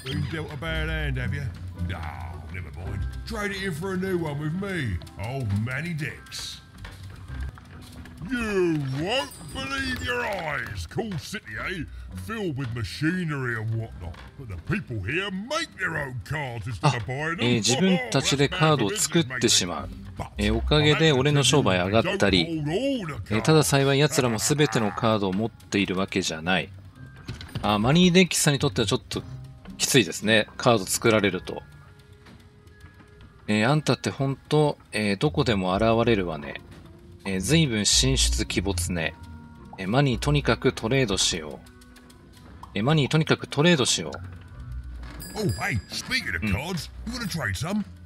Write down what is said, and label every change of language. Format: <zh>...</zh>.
<en>Dealt a bad hand, have you? No, never mind. Trade it in for a new one with me, old Manny Dix. You won't believe your eyes. Cool city, eh? Filled with machinery and whatnot. But the people here make their own cards instead of buying them.</en> <ja>自分たちでカードを作ってしまう。おかげで俺の商売上がったり。ただ幸い奴らも全てのカードを持っているわけじゃない。マニーデッキさんにとってはちょっと。きついですね、カード作られると。あんたってほんと、どこでも現れるわね。随分進出鬼没ね。マニーとにかくトレードしよう。マニーとにかくトレードしよう。</ja> <en>Oh, hey, speaking of cards, you wanna trade some?</en>